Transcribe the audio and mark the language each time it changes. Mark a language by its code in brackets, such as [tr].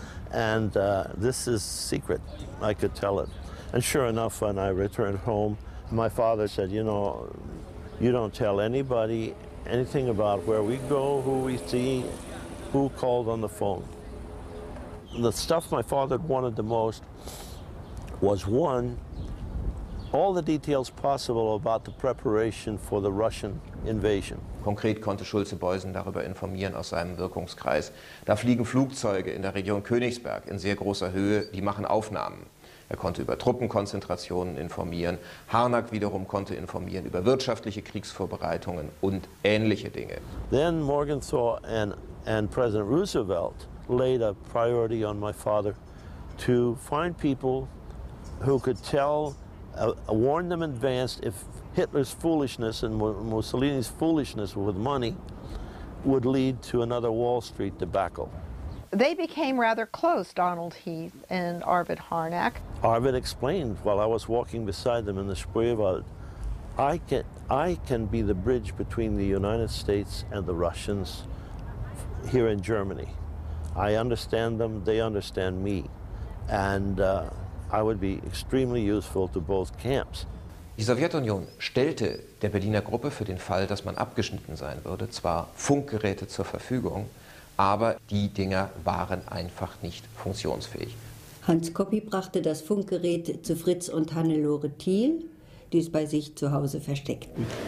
[en] And this is secret. I could tell it. And sure enough, when I returned home, my father said, you know, you don't tell anybody anything about where we go, who we see, who called on the phone. The stuff my father wanted the most was, one, all the details possible about the preparation for the Russian invasion. [de] Konkret konnte Schulze-Boysen darüber informieren aus seinem Wirkungskreis. Da fliegen Flugzeuge in der Region Königsberg in sehr großer Höhe, die machen Aufnahmen. Er konnte über Truppenkonzentrationen informieren. Harnack wiederum konnte informieren über wirtschaftliche Kriegsvorbereitungen und ähnliche Dinge. [en] Then Morgenthau and President Roosevelt laid a priority on my father to find people who could tell, warn them in advance if Hitler's foolishness and Mussolini's foolishness with money would lead to another Wall Street debacle. They became rather close, Donald Heath and Arvid Harnack. Arvid explained while I was walking beside them in the Spreewald, I can be the bridge between the United States and the Russians here in Germany. I understand them, they understand me. And I would be extremely useful to both camps. [de] Die Sowjetunion stellte der Berliner Gruppe für den Fall, dass man abgeschnitten sein würde, zwar Funkgeräte zur Verfügung, aber die Dinger waren einfach nicht funktionsfähig. Hans Koppi brachte das Funkgerät zu Fritz und Hannelore Thiel, die es bei sich zu Hause versteckten.